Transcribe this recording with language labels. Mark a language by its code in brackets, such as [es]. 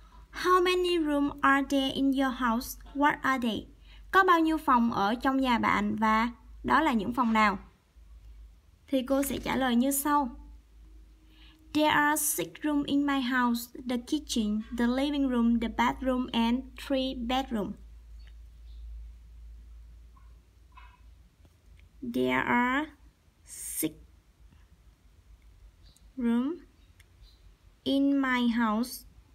[en] How many rooms are there in your house? What are they? [vi] Có bao nhiêu phòng ở trong nhà bạn và đó là những phòng nào? Thì cô sẽ trả lời như sau. [en] There are 6 rooms in my house, the kitchen, the living room, the bathroom and 3 bedrooms. There are 6 rooms in my house.